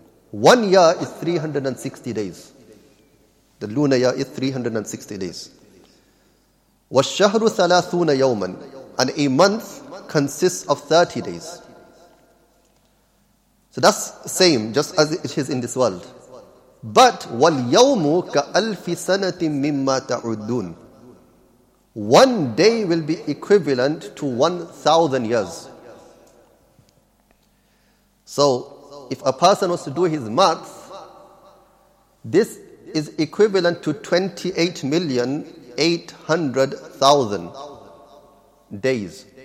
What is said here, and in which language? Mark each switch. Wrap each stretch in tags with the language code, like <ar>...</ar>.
<en>1 year is 360 days. The lunar year is 360 days.</en> <ar>وَالشَّهْرُ ثَلَاثُونَ يَوْمًا.</ar> <en>And a month consists of 30 days. So that's same, just as it is in this world.</en> <ar>But وَالْيَوْمُ كَأَلْفِ سَنَةٍ مِّمَّا تَعُدُّونَ.</ar> <en>One day will be equivalent to 1,000 years. So, if a person was to do his maths, this is equivalent to 28,800,000 days.</en>